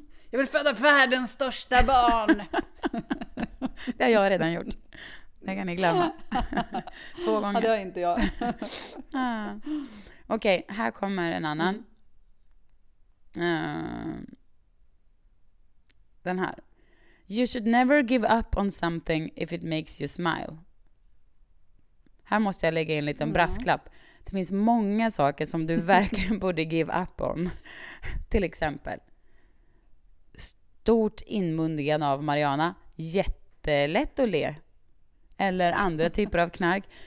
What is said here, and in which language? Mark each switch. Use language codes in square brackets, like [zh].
[sv] Jag vill föda världens största barn. Det har jag redan gjort. Det kan ni glömma. Två gånger. Ja, det har inte jag. Okej, här kommer en annan. Den här. [en] You should never give up on something if it makes you smile. [sv] Här måste jag lägga in en liten brasklapp. Det finns många saker som du verkligen borde [en] give up on. [sv] Till exempel. Stort inmundigande av Mariana. Jättelätt att le. Eller andra typer av knark.